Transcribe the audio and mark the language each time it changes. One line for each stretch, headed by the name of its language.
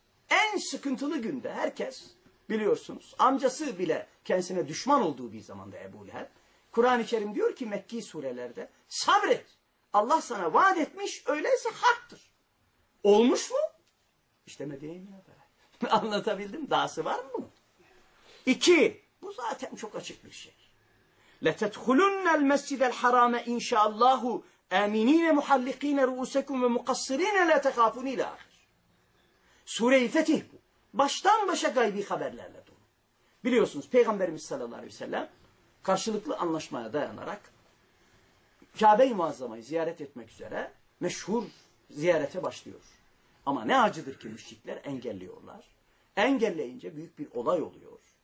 Turkish: En sıkıntılı günde herkes biliyorsunuz amcası bile kendisine düşman olduğu bir zamanda Ebu Leheb. Kur'an-ı Kerim diyor ki Mekki surelerde sabret. Allah sana vaat etmiş öyleyse haktır. Olmuş mu? İşte Medine'ye beraber. Anlatabildim. Dahası var mı? İki. Bu zaten çok açık bir şey.
Arabic: لَتَدْخُلُنَّ الْمَسْجِدَ الْحَرَامَ اِنْشَاءَ اللّٰهُ اَمِن۪ينَ مُحَلِّق۪ينَ رُؤُسَكُمْ وَمُقَصِّر۪ينَ لَا تَخَافُونَ اِلٰى
Turkish: Sure-i Fetih bu. Baştan başa gaybi haberlerle dolu. Biliyorsunuz Peygamberimiz sallallahu aleyhi ve sellem karşılıklı anlaşmaya dayanarak Kabe-i Muazzama'yı ziyaret etmek üzere meşhur ziyarete başlıyor. Ama ne acıdır ki müşrikler engelliyorlar. Engelleyince büyük bir olay oluyor.